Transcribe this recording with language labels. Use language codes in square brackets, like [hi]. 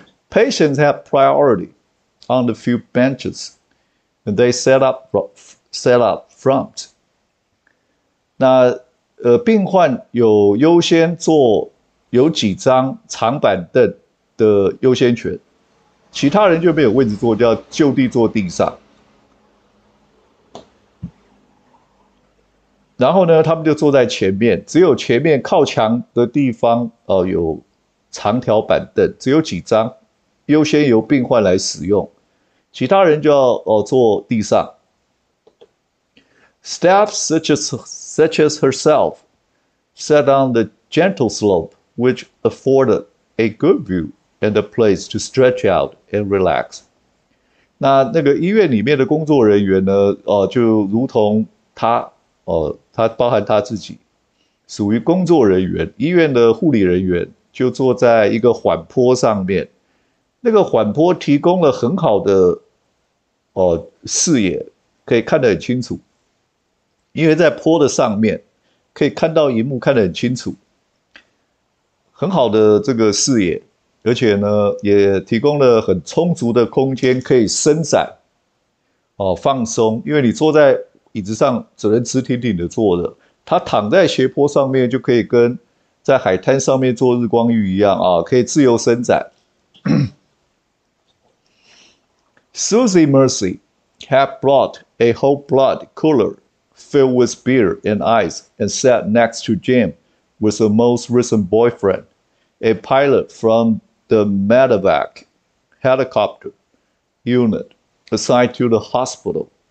[en] Patients have priority on the few benches, and they set up front. [zh] 那病患有优先坐有几张长板凳的优先权。其他人就没有位置坐，就要就地坐地上。然后呢，他们就坐在前面，只有前面靠墙的地方，有长条板凳，只有几张，优先由病患来使用。其他人就要坐地上。 [en] Staff such as herself sat on the gentle slope, which afforded a good view. And a place to stretch out and relax。 [zh] 那个医院里面的工作人员呢？就如同他，他包含他自己，属于工作人员。医院的护理人员就坐在一个缓坡上面，那个缓坡提供了很好的，视野，可以看得很清楚。因为在坡的上面，可以看到荧幕看得很清楚，很好的这个视野。而且呢，也提供了很充足的空间可以伸展，放松。因为你坐在椅子上，只能直挺挺的坐着，他躺在斜坡上面就可以跟在海滩上面做日光浴一样啊，可以自由伸展。 [en] Susie Mercy had brought a whole blood cooler filled with beer and ice and sat next to Jim with the most recent boyfriend, a pilot from the medevac helicopter unit assigned to the hospital.